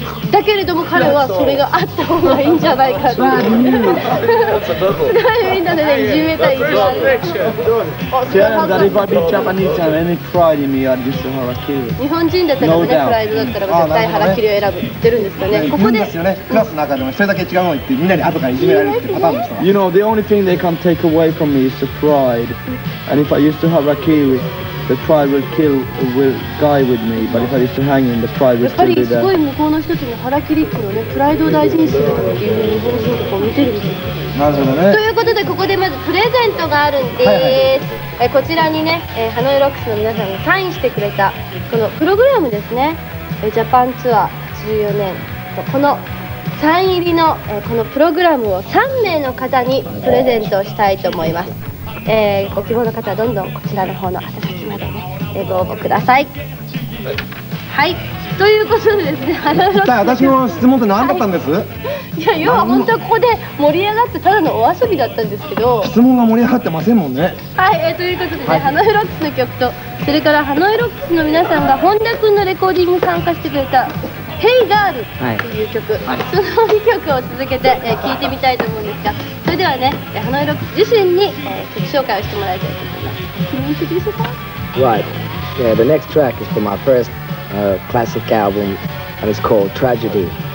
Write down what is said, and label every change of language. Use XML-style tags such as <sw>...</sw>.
<ja>だけれども彼はそれがあった方がいいんじゃないかと。すごいみんなでね、いじめたい。</ja> <en>Yeah, that if I be Japanese and any pride in me, I'd use the harakiri.</en> <ja>日本人だったらもね、</ja> <en>no、</en> <ja>プライドだったら絶対ハラキリを選ぶってるんですかね。ここで、ね、クラスの中でも一人だけ違うのを言ってみんなに後からいじめられるってパターンですか。</ja> <en>You know, the only thing they can take away from me is the pride. And if I use the harakiri, the pride will kill the guy with me. But if I use the hanging, the pride will still be there.</en> <ja>やっぱりすごい向こうの人たちのハラキリっていうのね、プライドを大事にするっていう日本人とかを見てるんですよ。なるほどね。ということでここでまずプレゼントがあるんです。はいはい、こちらにね、ハノイロックスの皆さんがサインしてくれたこのプログラムですね、ジャパンツアー14年とこのサイン入りの、このプログラムを3名の方にプレゼントしたいと思います。ご希望の方はどんどんこちらの方の宛先までね、ご応募ください。はい、ということでですね、ハノイロックス、私の質問って何だったんです。はい、いや、要は本当はここで盛り上がってただのお遊びだったんですけど、質問が盛り上がってませんもんね。はい、ということでね、はい、ハノイロックスの曲とそれからハノイロックスの皆さんが本田君のレコーディングに参加してくれた「Hey Girl」という曲、はい、その2曲を続けて聴、いてみたいと思うんですが、それではね、ハノイロックス自身に、曲紹介をしてもらいたいと思います。君に聞いてみてください。</ja> <en>Right, the next track is from my first classic album and it's called Tragedy.</en>